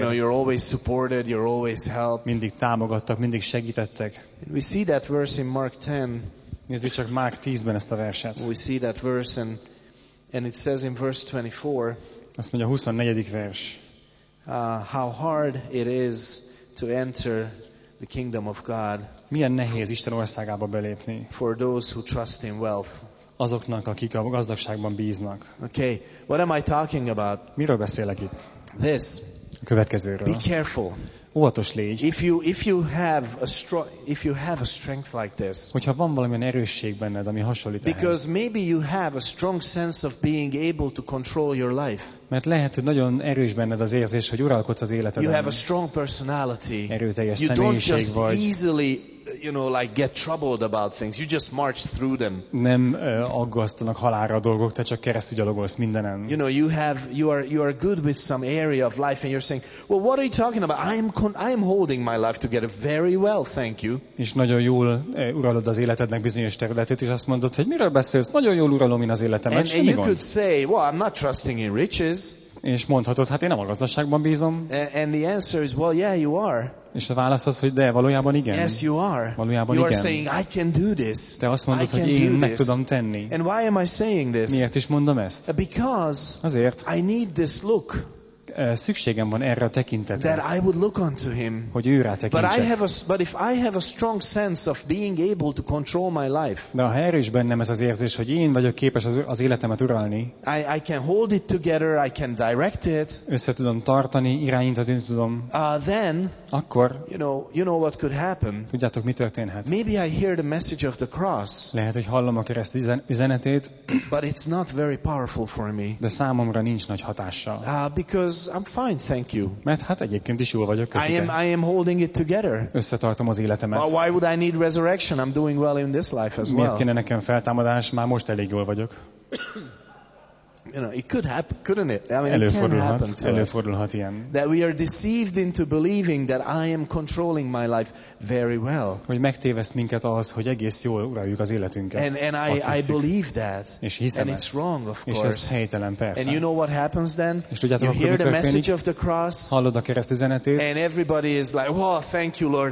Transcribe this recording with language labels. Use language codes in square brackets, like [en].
[en] You know, you're always supported, you're always helped. [hu] Mindig támogattak, mindig segítettek. [en] We see that verse in Mark 10. [hu] Nézzük csak Mark 10-ben ezt a verset. [en] We see that verse and it says in verse 24. [hu] Azt mondja a 24. vers. [en] How hard it is to enter the kingdom of God. [hu] Milyen nehéz Isten országába belépni. [en] For those who trust in wealth. [hu] Azoknak, akik a gazdagságban bíznak. [en] Okay, what am I talking about? [hu] Miről beszélek itt? [en] This. [hu] A következőről. [en] Be careful. [hu] Óvatos légy. [en] If you have a strength like this. [hu] Hogyha van valamilyen erősség benned, ami hasonlít ehhez. [en] Because maybe you have a strong sense of being able to control your life. [hu] Mert lehet, hogy nagyon erős benned az érzés, hogy uralkodsz az életedben. [en] You have a strong personality. [hu] Erőteljes [en] you [hu] személyiség [en] don't just [hu] vagy. [en] Easily, you know, like get troubled about things. You just march through them. [hu] Nem aggasztanak halálra a dolgok, te csak keresztülgyalogolsz mindenen. [en] You know, you are good with some area of life and you're saying, "Well, what are you talking about? I am I'm holding my life together very well, thank you. [hu] És nagyon jól uralod az életednek bizonyos területét, és azt mondod, hogy miről beszélsz? Nagyon jól uralom én az életemet. [en] And you could say, well, I'm not trusting in riches. [hu] És mondhatod, hát én nem a gazdaságban bízom. [en] And the answer is, well, yeah, you are. [hu] És a válasz az, hogy de, valójában igen. [en] Yes, you are. [hu] Valójában [en] you are [hu] igen. [en] Saying, I can do this. [hu] Te azt mondod, hogy én meg tudom tenni. [en] And why am I saying this? [hu] Miért is mondom ezt? [en] Because [hu] azért. [en] I need this look. [hu] Szükségem van erre a tekintetre. [en] That I would look unto him. [hu] Hogy ő rá tekintsek. [en] But if I have a strong sense of being able to control my life. [hu] De ha erre is bennem ez az érzés, hogy én vagyok képes az életemet uralni. [en] I can hold it together, I can direct it. [hu] Össze tudom tartani, irányítani tudom. [en] Then, [hu] akkor, [en] you know what could happen. [hu] Tudjátok, mi történhet? [en] Maybe I hear the message of the cross. [hu] Lehet, hogy hallom a kereszt üzenetét. [en] But it's not very powerful for me. [hu] De számomra nincs nagy hatással. [en] Because I'm fine, thank you. [hu] Mert hát egyébként is jól vagyok, köszönöm. [en] I am holding it together. [hu] Összetartom az életemet. [en] Well, why would I need resurrection? I'm doing well in this life as well. [hu] Miért kéne nekem feltámadás? Már most elég jól vagyok. [en] You know, it could happen, couldn't it? I mean, [hu] előfordulhat ilyen. [en] That we are deceived into believing that I am controlling my life very well. [hu] Hogy megtéveszt minket az, hogy egész jól uraljuk az életünket. [en] And I believe that. [hu] És hiszem [en] and it's wrong, of course. [hu] És ez helytelen, persze. [en] And you know what happens then? [hu] És tudjátok, [en] you hear the message of the cross. [hu] Hallod a kereszt üzenetét. [en] And everybody is like, "Wow, thank you, Lord.